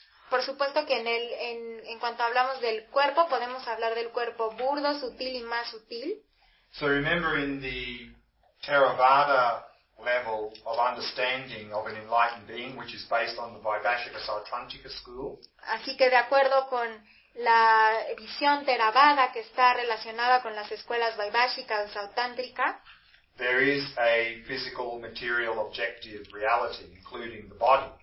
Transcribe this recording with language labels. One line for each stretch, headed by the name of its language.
Spanish: Por supuesto que en cuanto hablamos del cuerpo, podemos hablar del cuerpo burdo, sutil y más sutil.
English: So remember in the Theravada level of understanding of an enlightened being, which is based on the Vaibhashika Sautrantika school.
Spanish: Así que de acuerdo con la visión Theravada que está relacionada con las escuelas Vaibhashika o Sautrantika,
English: there is a physical, material, objective reality, including the body.